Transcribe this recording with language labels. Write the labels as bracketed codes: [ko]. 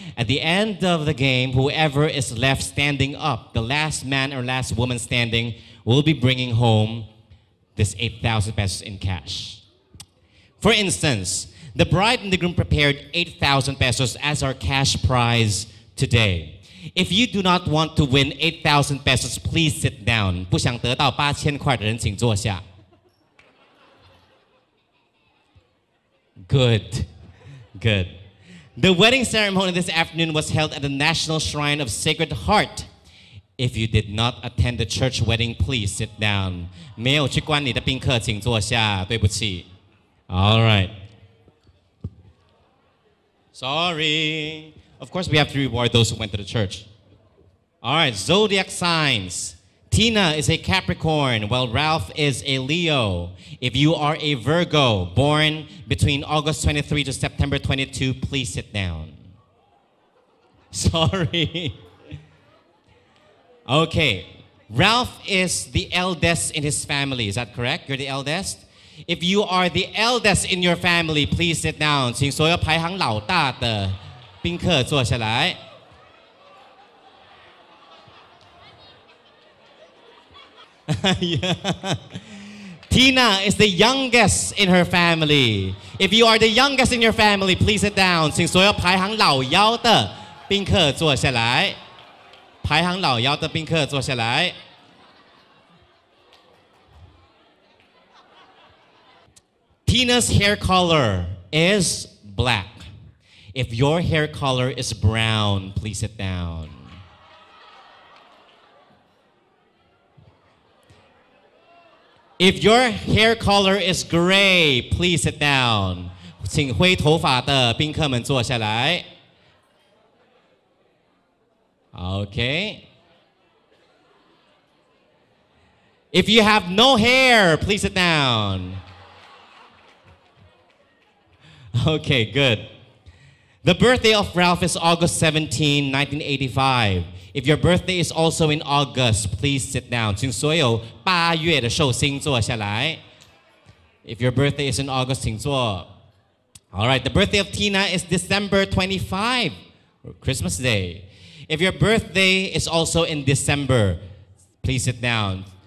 [en] At the end of the game, whoever is left standing up, the last man or last woman standing, will be bringing home this 8,000 pesos in cash. For instance, the bride and the groom prepared 8,000 pesos as our cash prize today. If you do not want to win 8,000 pesos, please sit down. [zh] 不想得到8,000块的人请坐下. [en] Good. Good. The wedding ceremony this afternoon was held at the National Shrine of Sacred Heart. If you did not attend the church wedding, please sit down. [zh] 没有去观礼的宾客请坐下,对不起. [en] All right. Sorry. Of course, we have to reward those who went to the church. All right, zodiac signs. Tina is a Capricorn, while Ralph is a Leo. If you are a Virgo, born between August 23 to September 22, please sit down. Sorry. Okay, Ralph is the eldest in his family. Is that correct? You're the eldest? If you are the eldest in your family, please sit down. [zh] 请所有排行老大的宾客坐下来. [en] Yeah. Tina is the youngest in her family. If you are the youngest in your family, please sit down. [zh] 请所有排行老幺的宾客坐下来. [en] Tina's hair color is black. If your hair color is brown, please sit down. If your hair color is gray, please sit down. [zh] 请灰头发的宾客们坐下来. [en] Okay. If you have no hair, please sit down. Okay, good. The birthday of Ralph is August 17, 1985. If your birthday is also in August, please sit down. [zh] 请所有8月的寿星坐下来. [en] If your birthday is in August, [zh] 请坐. [en] All right, the birthday of Tina is December 25, Christmas Day. If your birthday is also in December, please sit down.